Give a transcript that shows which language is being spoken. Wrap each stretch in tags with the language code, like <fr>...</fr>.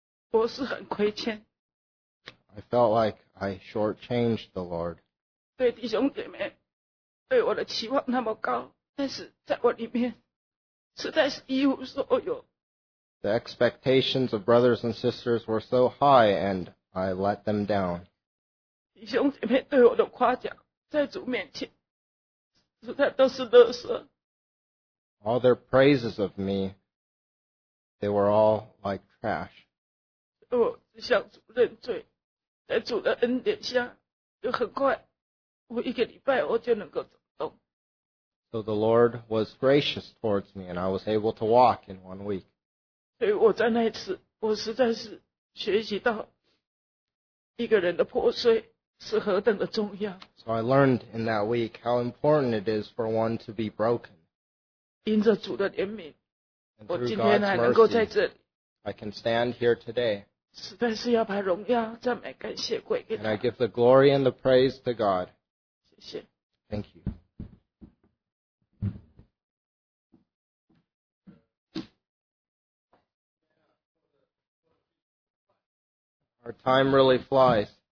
<zh>我是很亏欠。</zh> <en>I felt like I shortchanged the Lord.</en> <zh>对弟兄姐妹，对我的期望那么高，但是在我里面，实在是一无所有。</zh> <en>The expectations of brothers and sisters were so high and I let them down.</en> <zh>弟兄姐妹对我的夸奖，在主面前，实在都是垃圾。</zh> <en>All their praises of me, they were all like trash.</en> <zh>我只向主认罪，在主的恩典下，就很快，我一个礼拜我就能够走动。</zh> <en>So the Lord was gracious towards me, and I was able to walk in one week.</en> <zh>所以我在那一次，我实在是学习到一个人的破碎是何等的重要。</zh> <en>So I learned in that week how important it is for one to be broken.</en> <zh>因着主的怜悯，</zh> <en>and through God's mercy,</en> <zh>我今天还能够在这里。</zh> <en>I can stand here today.</en> <zh>实在是要把荣耀赞美感谢归给他。</zh> <en>And I give the glory and the praise to God.</en> <zh>谢谢。</zh> <en>Thank you. Our time really flies.</en>